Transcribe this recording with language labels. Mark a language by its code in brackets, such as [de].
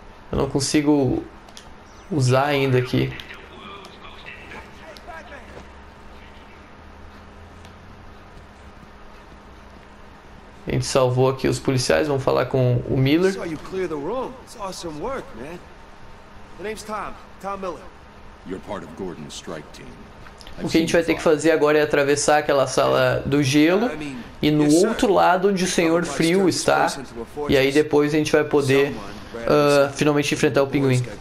[pt] Eu não consigo usar ainda aqui. A gente salvou aqui os policiais. Vamos falar com o Miller. Eu vi você [en] clear the room. It's awesome work, man. My name's Tom. Tom Miller. You're part of Gordon's strike team. [pt] O que a gente vai ter que fazer agora é atravessar aquela sala do gelo e no outro lado onde o Senhor Frio está. E aí depois a gente vai poder finalmente enfrentar o pinguim.